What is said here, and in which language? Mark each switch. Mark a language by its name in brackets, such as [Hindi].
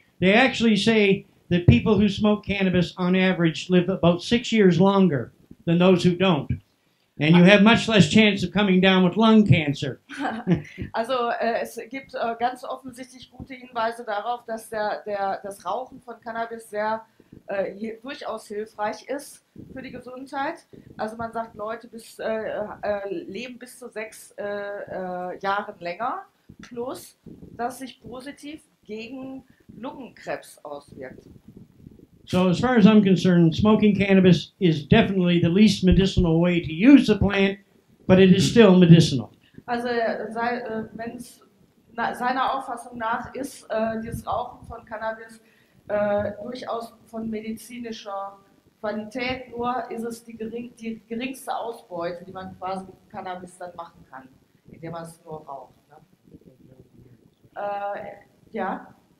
[English] They actually say that people who smoke cannabis on average live about 6 years longer than those who don't. And you have much less chance of coming down with lung cancer. [German] Also es gibt ganz offensichtlich gute Hinweise darauf, dass das Rauchen von Cannabis sehr durchaus hilfreich ist für die Gesundheit. Also man sagt, Leute leben bis zu 6 Jahren länger, plus dass sich positiv gegen Lungenkrebs auswirkt. [English] So as far as I'm concerned, smoking cannabis is definitely the least medicinal way to use the plant, but it is still medicinal. [German] Also, wenn es seiner Auffassung nach ist, dieses Rauchen von Cannabis durchaus von medizinischer Qualität, nur ist es die geringste Ausbeute, die man quasi mit Cannabis dann machen kann, indem man es nur raucht. Ne? Ja.